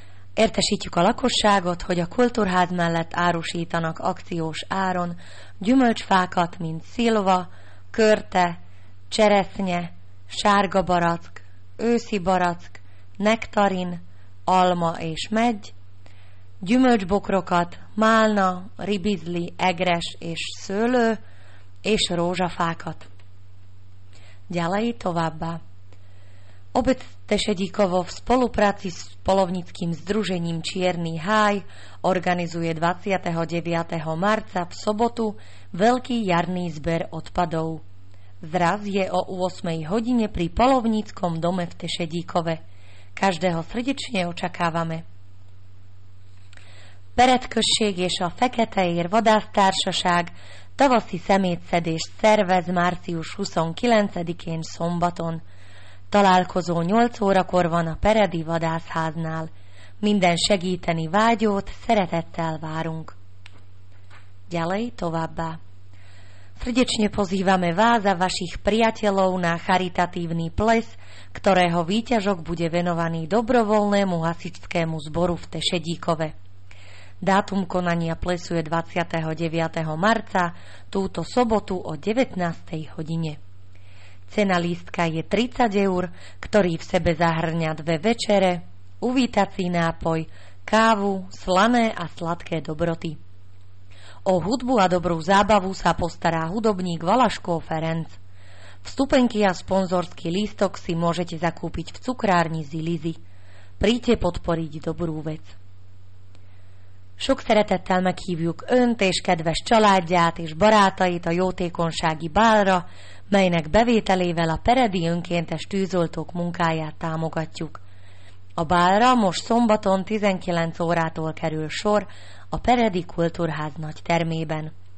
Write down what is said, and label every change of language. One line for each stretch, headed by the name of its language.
Hungarian: Értesítjük a lakosságot, hogy a kultúrház mellett árusítanak akciós áron gyümölcsfákat, mint szilva, körte, cseresznye, sárga barack, őszi barack, nektarin, alma és medgy, gyümölcsbokrokat, málna, ribizli, egres és szőlő, és rózsafákat.
Slovak: Ďalej
Hungarian: továbbá.
Slovak: Obec Tešedíkovo v spolupráci s polovníckym združením Čierny háj organizuje 29. marca v sobotu veľký jarný zber odpadov. Zraz je o 8. hodine pri polovníckom dome v Tešedíkove. Každého srdečne očakávame.
Hungarian: Peretkösség és a Feketeér Vadásztársaság tavaszi szemétszedést szervez március 29-én szombaton. Találkozó 8 órakor van a Peredi Vadászháznál. Minden segíteni vágyót szeretettel várunk.
Slovak: Ďalej
Hungarian: továbbá.
Slovak: Srdečne pozývame vás a vašich priateľov na charitatívny ples, ktorého výťažok bude venovaný dobrovoľnému hasičskému zboru v Tešedíkove. Dátum konania plesu je 29. marca, túto sobotu o 19. hodine. Cena lístka je 30 eur, ktorý v sebe zahrňa dve večere, uvítací nápoj, kávu, slané a sladké dobroty. O hudbu a dobrú zábavu sa postará hudobník Valaško Ferenc. Vstupenky a sponzorský lístok si môžete zakúpiť v cukrárni Zilizi. Príďte podporiť dobrú vec.
Hungarian: Sok szeretettel meghívjuk önt és kedves családját és barátait a jótékonysági bálra, melynek bevételével a peredi önkéntes tűzoltók munkáját támogatjuk. A bálra most szombaton 19 órától kerül sor a Peredi Kultúrház nagy termében.